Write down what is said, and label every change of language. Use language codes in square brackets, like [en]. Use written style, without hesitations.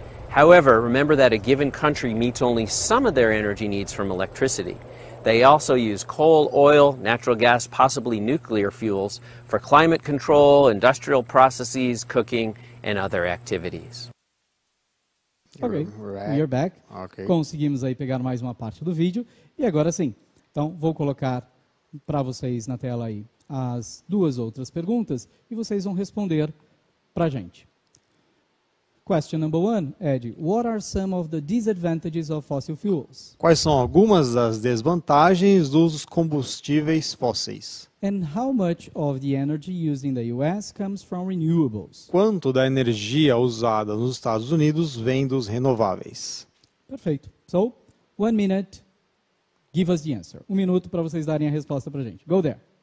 [en] However, remember that a given country meets only some of their energy needs from electricity. They also use coal, oil, natural gas, possibly nuclear fuels for climate control, industrial processes, cooking, and other activities. Ok, you're back. Okay. [pt] Conseguimos aí pegar mais uma parte do vídeo. E agora sim, então vou colocar para vocês na tela aí as duas outras perguntas e vocês vão responder para a gente. [en] Question number one, Ed, what are some of the disadvantages of fossil fuels? [pt] Quais são algumas das desvantagens dos combustíveis fósseis? [en] And how much of the energy used in the US comes from renewables? [pt] Quanto da energia usada nos Estados Unidos vem dos renováveis? Perfeito. [en] So, 1 minute, give us the answer. [pt] 1 minuto para vocês darem a resposta para a gente. [en] Go there.